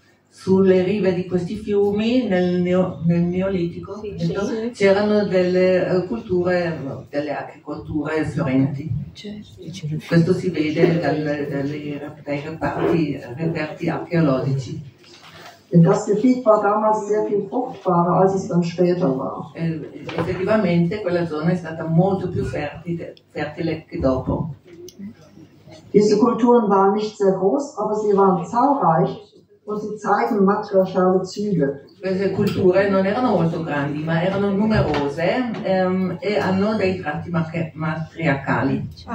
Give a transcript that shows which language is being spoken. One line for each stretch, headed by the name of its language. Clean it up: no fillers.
Italian: Sulle rive di questi fiumi nel Neolitico c'erano delle culture, delle agricolture fiorenti. Questo si vede dai reperti archeologici.
German: Denn das Gebiet war damals sehr viel fruchtbarer, als es dann später war.
Italian: Effettivamente quella zona è stata molto più fertile che dopo.
German: Diese Kulturen waren nicht sehr groß, aber sie waren zahlreich und sie zeigen matriarchale Züge.
Italian: Queste culture non erano molto grandi, ma erano numerose e hanno dei tratti matriarcali.